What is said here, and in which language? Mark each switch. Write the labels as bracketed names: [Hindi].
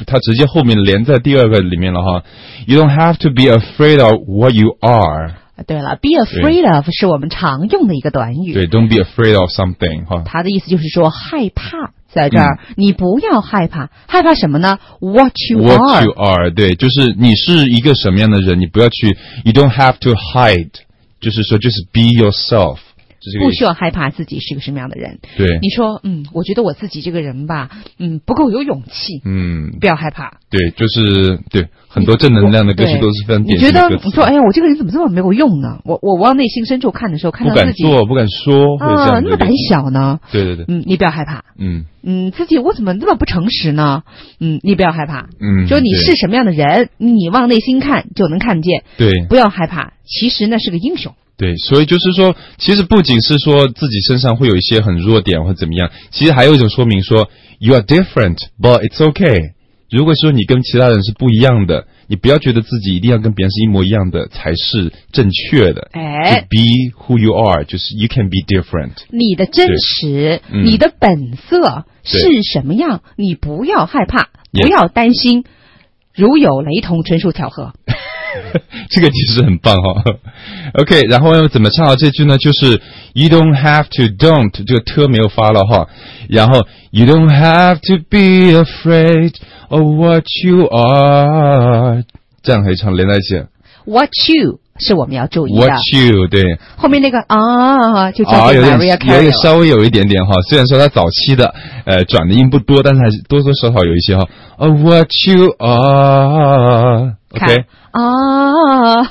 [Chinese] 它直接后面连在第二个里面了哈。 [English] You don't have to be afraid of what you are. [Chinese] 对了 ， [English] be afraid of [Chinese] 是我们常用的一个短语。对 ， [English] don't be afraid of something [Chinese] 哈。他的意思就是说害怕，在这儿、嗯、你不要害怕，害怕什么呢 ？ [English] What you are。 What you are， [Chinese] 对，就是你是一个什么样的人，你不要去 ， [English] you don't have to hide， [Chinese] 就是说 [English] just be yourself。 [Chinese] 不需要害怕自己是个什么样的人。对，你说，嗯，我觉得我自己这个人吧，嗯，不够有勇气。嗯，不要害怕。对，就是对很多正能量的歌曲都是非常典型的歌词。你觉得说，哎呀，我这个人怎么这么没有用呢？我往内心深处看的时候，看到自己不敢做，不敢说，啊，那么胆小呢？对对对，嗯，你不要害怕。嗯嗯，自己我怎么那么不诚实呢？嗯，你不要害怕。嗯，就你是什么样的人，你往内心看就能看见。对，不要害怕，其实那是个英雄。对，所以就是说，其实不仅是说自己身上会有一些很弱点或怎么样，其实还有一种说明说 ， [English] you are different, but it's okay。 [Chinese] 如果说你跟其他人是不一样的，你不要觉得自己一定要跟别人是一模一样的才是正确的。哎 [English] ，to be who you are， [Chinese] 就是 [English] you can be different。 [Chinese] 你的真实，你的本色是什么样？你不要害怕，不要担心， [English] yeah. [Chinese] 如有雷同，纯属巧合。这个其实很棒哈、哦、，OK， 然后怎么唱到这句呢？ [English] 就是 You don't have to don't [Chinese] 这个特没有发了哈， [English] 然后 You don't have to be afraid of what you are， [Chinese] 这样可以唱连在一起。 [English] What you [Chinese] 是我们要注意的。 [English] What you [Chinese] 对。后面那个啊就叫做 Mariah Carey，有点稍微有一点点哈，虽然说他早期的转的音不多，但是还是多多少少有一些哈。 [English] Oh, what you are。 [Chinese] 看啊